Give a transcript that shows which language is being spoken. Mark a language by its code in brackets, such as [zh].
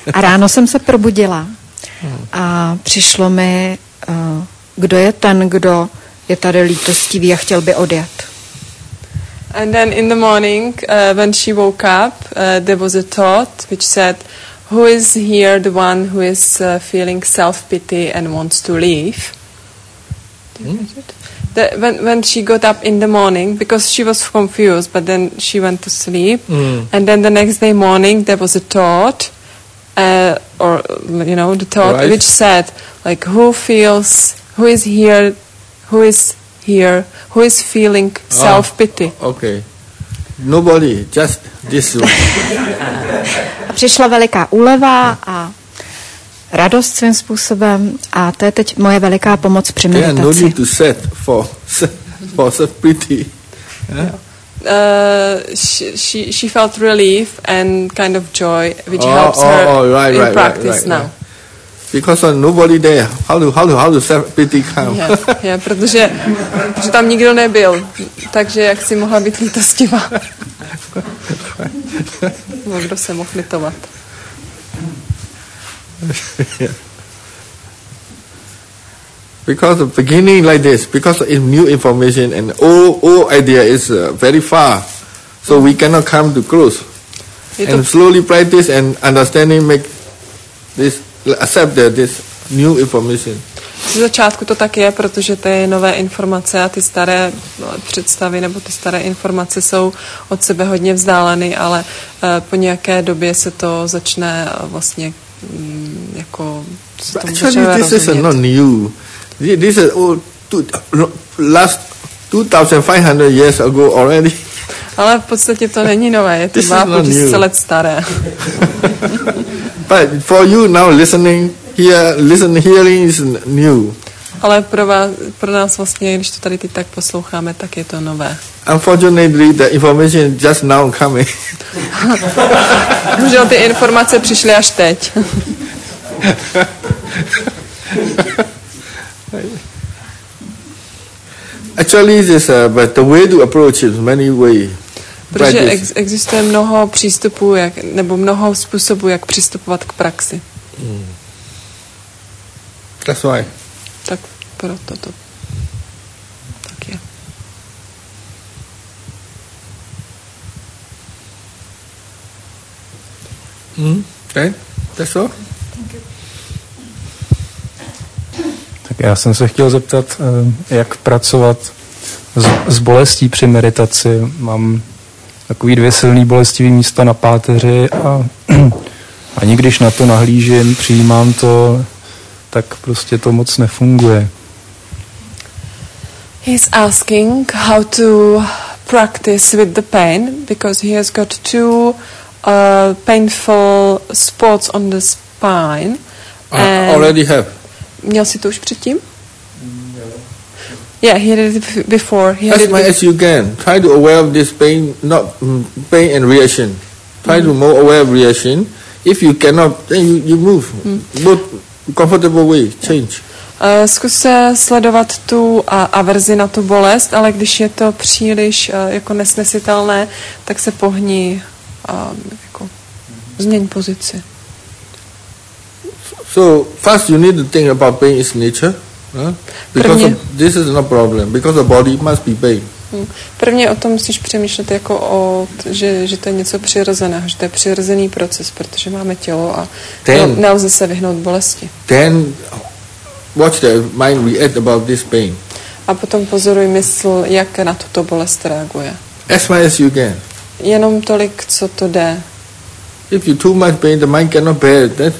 [cs] A ráno jsem se probudila a přišlo mi, kdo je ten, kdo je tady lítostivý a chtěl by odjet. [en] And then in the morning, when she woke up, there was a thought which said, who is here, the one who is feeling self-pity and wants to leave? When she got up in the morning, because she was confused, but then she went to sleep. Mm. And then the next day morning, there was a thought, the thought right. which said, like, who is feeling self-pity? Okay. Nobody, just this one. [cs] A přišla veliká úleva a radost svým způsobem a to je teď moje veliká pomoc při meditaci. [en] There are no need to set for self-pity. Yeah? She felt relief and kind of joy, which helps her in practice now. Right. Because nobody there. How do self-pity come? [cs] Yeah, protože tam nikdo nebyl. Takže jak si mohla být lítostivá? No, kdo se mohl litovat? [en] Because the beginning like this, because it's new information and old idea is very far. So we cannot come to close. And slowly practice and understanding make this accept that this new information. [cs] Z začátku to tak je, protože to je nové informace a ty staré představy nebo ty staré informace jsou od sebe hodně vzdáleny, ale po nějaké době se to začne vlastně jako se tomu začne rozumět. [en] This is not new. This is last 2500 years ago already. [cs] Ale v podstatě to není nové, je to 2000 let staré. [en] But for you now listening here, hearing is new. [cs] Ale pro vás, pro nás vlastně, když to tady teď tak posloucháme, tak je to nové. [en] Unfortunately, the information just now coming. [cs] Bohužel ty informace přišly až teď. [en] Actually, this but the way to approach it, many ways. [cs] Protože existuje mnoho přístupů, nebo mnoho způsobů, jak přistupovat k praxi. [en] Mm. That's why. [cs] Tak proto to tak je. [en] Mm. Okay. That's all. [cs] Tak já jsem se chtěl zeptat, jak pracovat s bolestí při meditaci. Mám takový dvě silný bolestivý místa na páteři a ani když na to nahlížím, přijímám to, tak prostě to moc nefunguje. [en] He's asking how to practice with the pain because he has got two painful spots on the spine. I already have. [cs] Měl jsi to už předtím? [en] Yeah, he did it before. He as much as you can. Try to aware of this pain, not pain and reaction. Try to more aware of reaction. If you cannot, then you move. Mm. Both comfortable way, change. [cs] Zkus se sledovat tu averzi na tu bolest, ale když je to příliš jako nesnesitelné, tak se pohni, jako změň pozici. [en] So first you need to think about pain is nature. Because this is not problem, because the body must be pain. [cs] Prvně o tom musíš přemýšlet jako o, že to je něco přirozeného, že to je přirozený proces, protože máme tělo a nelze se vyhnout bolesti. [en] Then watch the mind react about this pain. [cs] A potom pozoruj mysl, jak na tuto bolest reaguje. [en] As much as you can. [cs] Jenom tolik, co to jde. [en] If you too much pain, the mind cannot bear it.